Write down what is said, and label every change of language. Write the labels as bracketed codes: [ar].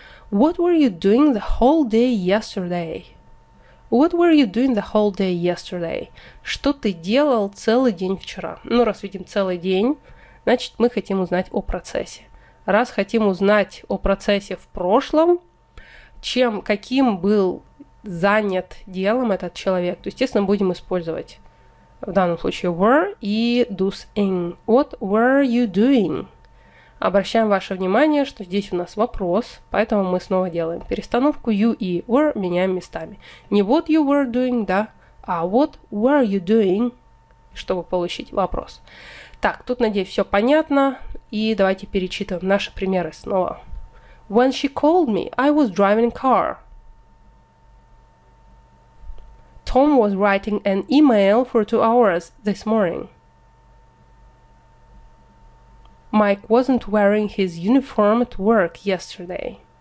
[en] What were you doing the whole day yesterday? What were you doing the whole day yesterday? [ru] Что ты делал целый день вчера? Ну, раз видим целый день, значит, мы хотим узнать о процессе. Раз хотим узнать о процессе в прошлом, чем, каким был занят делом этот человек, то, естественно, будем использовать в данном случае were и do's in. [en] What were you doing? [ru] Обращаем ваше внимание, что здесь у нас вопрос, поэтому мы снова делаем перестановку you и were, меняем местами. Не [en] what you were doing, [ru] да, а [en] what were you doing, [ru] чтобы получить вопрос. Так, тут, надеюсь, все понятно, и давайте перечитаем наши примеры снова. [en] When she called me, I was driving a car. Tom was writing an email for 2 hours this morning. Mike wasn't wearing his uniform at work yesterday.